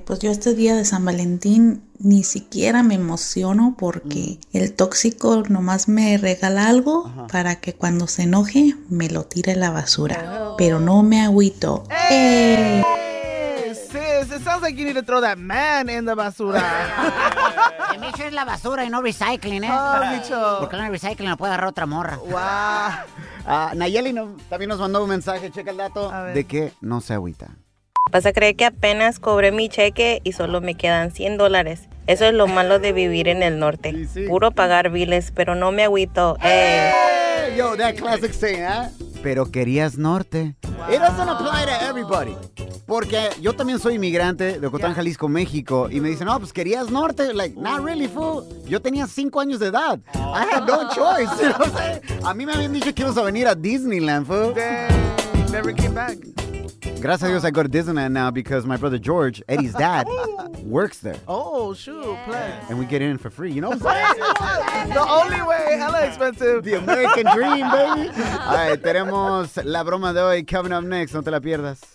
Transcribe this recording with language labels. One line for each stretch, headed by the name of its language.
Spanish: Pues yo este día de San Valentín ni siquiera me emociono porque el tóxico nomás me regala algo para que cuando se enoje me lo tire a la basura. Oh. Pero no me agüito. Hey.
English: It sounds like you need to throw that man in the basura. Make sure it's
Spanish: la basura y no
English: recycling, eh?
Spanish: Oh, bicho. Porque no recycling, no puede agarrar otra morra. Wow. Nayeli no, también nos mandó un mensaje. Checa el dato. De que no se agüita. Vas a creer que apenas cobré mi cheque y solo me quedan $100. Eso es lo malo de vivir en el norte. Sí, sí. Puro pagar biles, pero no me agüito.
English: Yo, that classic saying, eh?
Spanish: Pero querías norte.
English: Wow. It doesn't apply to everybody.
Spanish: Porque yo también soy inmigrante de Ocotlán, Jalisco, México. Y me dicen, no, pues querías norte.
English: Like, not really, fool.
Spanish: Yo tenía 5 años de edad.
English: I had no choice. You know?
Spanish: A mí me habían dicho que ibas a venir a Disneyland, fool.
English: Damn. Never came back.
Spanish: Gracias a Dios,
English: I go to Disneyland now because my brother George, Eddie's dad, works there. Oh, shoot, plan. And we get in for free, you know what I'm saying? The only way, hella expensive. The American dream, baby. All right,
Spanish: tenemos la broma de hoy
English: coming up next.
Spanish: No te la pierdas.